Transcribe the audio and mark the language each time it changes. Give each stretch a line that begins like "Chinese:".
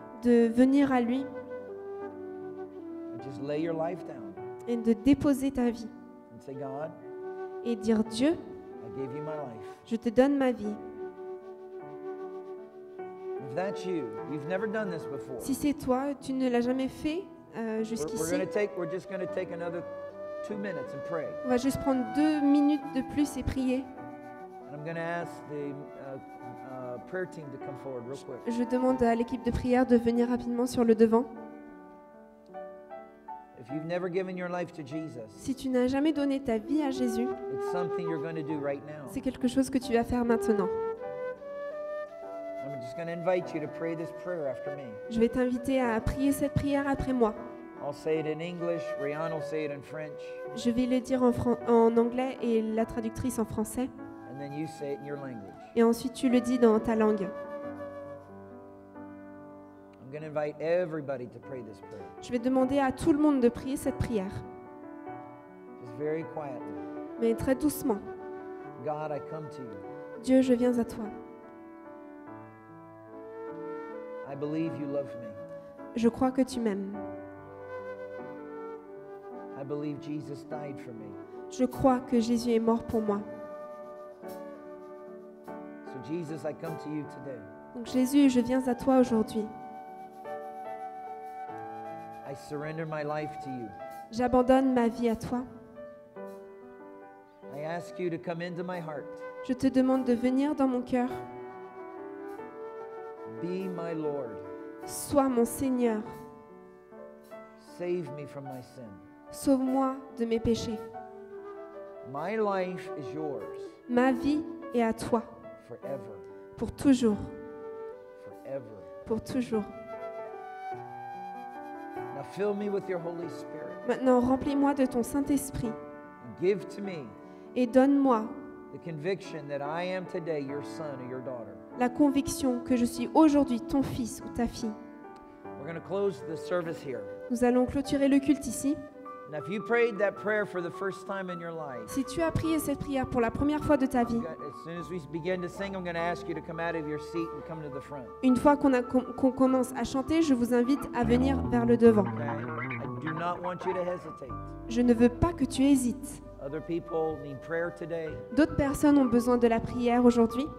French: De venir à lui.
English: And just lay your life down.
French: Et de déposer ta vie.
English: And say, God,
French: et dire, Dieu,
English: I gave you my life.
French: Je te donne ma vie.
English: If that's you, you've never done this before.
French: Si c'est toi, tu ne l'as jamais fait jusqu'ici.
English: We're just going to take another 2 minutes and pray.
French: On va juste prendre 2 minutes de plus et prier.
English: And I'm going to ask the prayer team to come forward real quick.
French: Je demande à l'équipe de prière de venir rapidement sur le devant.
English: If you've never given your life to Jesus,
French: si tu n'as jamais donné ta vie à Jésus,
English: it's something you're going to do right now.
French: C'est quelque chose que tu vas faire maintenant.
English: I'm just going to invite you to pray this prayer after me.
French: Je vais t'inviter à prier cette prière après moi.
English: I'll say it in English, Rihanna will say it in French.
French: Je vais le dire en anglais et la traductrice en français.
English: And then you say it in your language.
French: Et ensuite tu le dis dans ta langue.
English: I'm going to invite everybody to pray this prayer.
French: Je vais demander à tout le monde de prier cette prière.
English: Just very quietly.
French: Mais très doucement.
English: God, I come to you.
French: Dieu, je viens à toi.
English: I believe you love me.
French: Je crois que tu m'aimes.
English: I believe Jesus died for me.
French: Je crois que Jésus est mort pour moi.
English: So Jesus, I come to you today.
French: Donc Jésus, je viens à toi aujourd'hui.
English: I surrender my life to you.
French: J'abandonne ma vie à toi.
English: I ask you to come into my heart.
French: Je te demande de venir dans mon cœur.
English: Be my Lord.
French: Sois mon Seigneur.
English: Save me from my sin.
French: Sauve-moi de mes péchés.
English: My life is yours.
French: Ma vie est à toi.
English: Forever.
French: Pour toujours.
English: Forever.
French: Pour toujours.
English: Now fill me with your Holy Spirit.
French: Maintenant remplis-moi de ton Saint-Esprit.
English: Give to me.
French: Et donne-moi
English: the conviction that I am today your son or your daughter.
French: La conviction que je suis aujourd'hui ton fils ou ta fille.
English: We're going to close the service here.
French: Nous allons clôturer le culte ici.
English: Now, if you prayed that prayer for the first time in your life,
French: si tu as prié cette prière pour la première fois de ta vie,
English: as soon as we begin to sing, I'm going to ask you to come out of your seat and come to the front.
French: Une fois qu'on commence à chanter, je vous invite à venir vers le devant.
English: Okay. I do not want you to hesitate.
French: Je ne veux pas que tu hésites.
English: Other people need prayer today.
French: D'autres personnes ont besoin de la prière aujourd'hui.